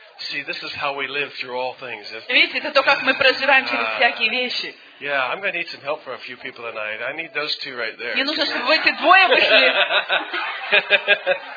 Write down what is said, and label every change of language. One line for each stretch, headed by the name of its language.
English: See, this is how we live through all things.
Russian: Видите, это то, как мы проживаем через всякие вещи.
English: Yeah, I'm going to need some help from a few people tonight. I need those two right there.
Russian: Мне нужно, чтобы эти двое вышли.